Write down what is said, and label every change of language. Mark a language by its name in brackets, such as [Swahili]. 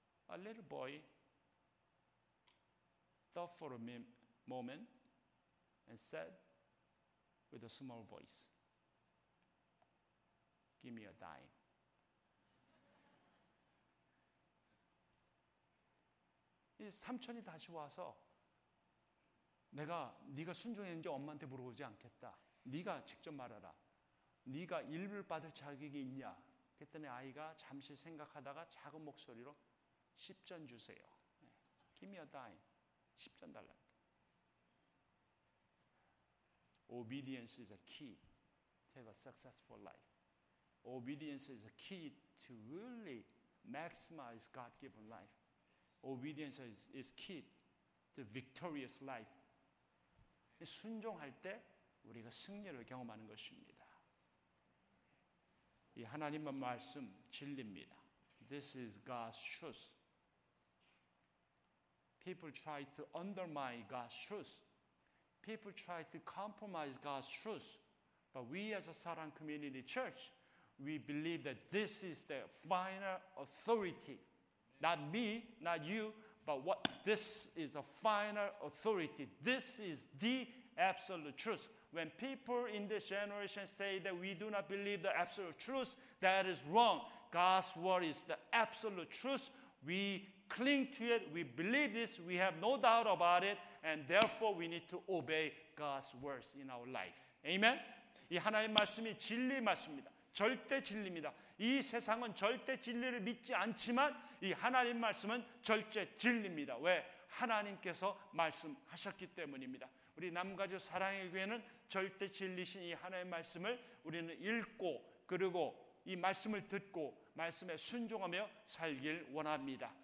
[English] A little boy thought for a moment and said with a small voice, give me a dime. His [Korean] 삼촌이 다시 와서 내가 네가 순종했는지 엄마한테 물어보지 않겠다. 네가 직접 말하라. 네가 일부를 받을 자격이 있냐? 그랬더니 아이가 잠시 생각하다가 작은 목소리로 10전 주세요. [English] Give me a dime. [Korean] 10전 달라. [English] Obedience is a key to have a successful life. Obedience is a key to really maximize God-given life. Obedience is key to victorious life. [Korean] 순종할 때 우리가 승리를 경험하는 것입니다. 이 하나님의 말씀 진리입니다. [English] This is God's truth. People try to undermine God's truth. People try to compromise God's truth. But we as a Sarang Community Church, we believe that this is the final authority. Not me, not you, but what this is the final authority. This is the absolute truth. When people in this generation say that we do not believe the absolute truth, that is wrong. God's word is the absolute truth. We cling to it. We believe this. We have no doubt about it. And therefore, we need to obey God's words in our life. Amen? [Korean] 이 하나님 말씀이 진리의 말씀입니다. 절대 진리입니다. 이 세상은 절대 진리를 믿지 않지만 이 하나님 말씀은 절대 진리입니다. 왜? 하나님께서 말씀하셨기 때문입니다. 우리 남가주 사랑의 교회는 절대 진리신 이 하나님의 말씀을 우리는 읽고 그리고 이 말씀을 듣고 말씀에 순종하며 살길 원합니다.